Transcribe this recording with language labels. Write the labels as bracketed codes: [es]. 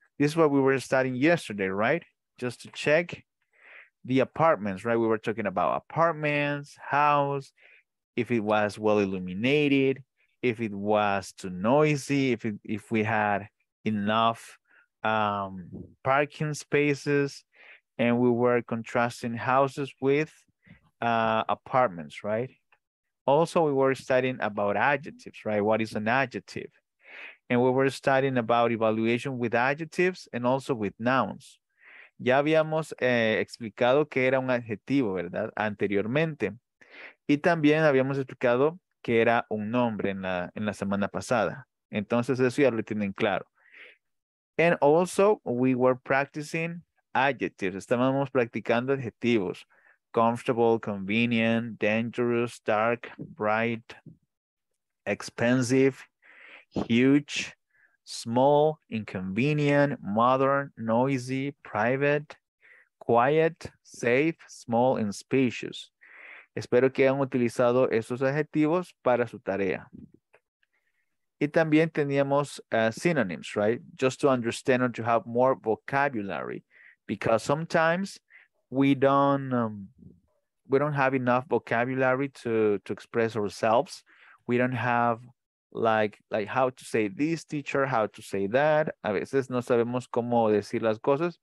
[en] This is what we were studying yesterday, right? Just to check the apartments, right? We were talking about apartments, house, if it was well illuminated, if it was too noisy, if we had enough parking spaces, and we were contrasting houses with apartments, right? Also, we were studying about adjectives, right? What is an adjective? And we were studying about evaluation with adjectives and also with nouns. [es] Ya habíamos explicado que era un adjetivo, ¿verdad? Anteriormente. Y también habíamos explicado que era un nombre en la semana pasada. Entonces, eso ya lo tienen claro. [en] And also, we were practicing adjectives. [es] Estábamos practicando adjetivos. [en] Comfortable, convenient, dangerous, dark, bright, expensive, huge, small, inconvenient, modern, noisy, private, quiet, safe, small, and spacious. [es] Espero que hayan utilizado esos adjetivos para su tarea. Y también teníamos synonyms, right? [en] Just to understand or to have more vocabulary, because sometimes we don't have enough vocabulary to express ourselves. We don't have like how to say this, teacher, how to say that. [es] A veces no sabemos cómo decir las cosas.